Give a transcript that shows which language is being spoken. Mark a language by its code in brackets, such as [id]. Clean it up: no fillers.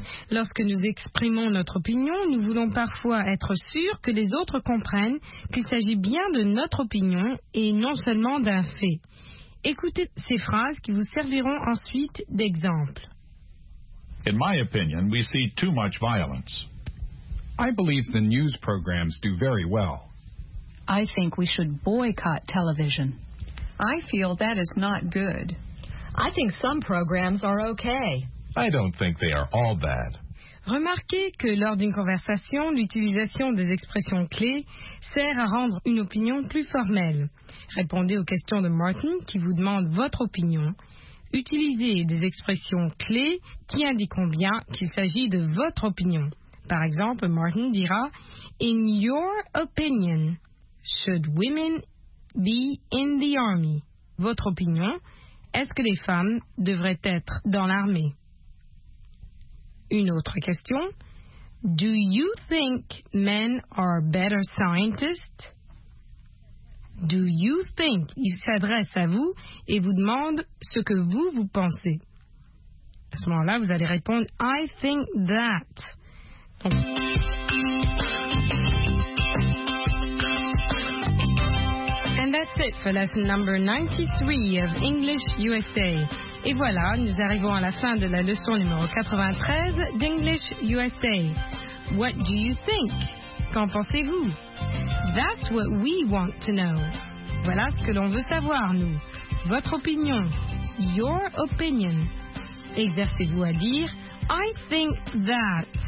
[fr] Lorsque nous exprimons notre opinion, nous voulons parfois être sûrs que les autres comprennent qu'il s'agit bien de notre opinion et non seulement d'un fait. Écoutez ces phrases qui vous serviront ensuite d'exemple. [en] In my opinion, we see too much violence. I believe the news programs do very well. I think we should boycott television. I feel that is not good. I think some programs are okay. I don't think they are all bad. [fr] Remarquez que lors d'une conversation, l'utilisation des expressions clés sert à rendre une opinion plus formelle. Répondez aux questions de Martin qui vous demande votre opinion. Utilisez des expressions clés qui indiqueront bien qu'il s'agit de votre opinion. Par exemple, Martin dira, [en] In your opinion, should women be in the army? [fr] Votre opinion, est-ce que les femmes devraient être dans l'armée? Une autre question. [en] Do you think men are better scientists? Do you think? [fr] Il s'adresse à vous et vous demande ce que vous, vous pensez. À ce moment-là, vous allez répondre, [en] I think that. [fr] Donc... [en] And that's it for lesson number 93 of English USA. [fr] Et voilà, nous arrivons à la fin de la leçon numéro 93 d'English USA. [en] What do you think? [fr] Qu'en pensez-vous? [en] That's what we want to know. [fr] Voilà ce que l'on veut savoir, nous. Votre opinion. [en] Your opinion. [fr] Exercez-vous à dire, [en] I think that.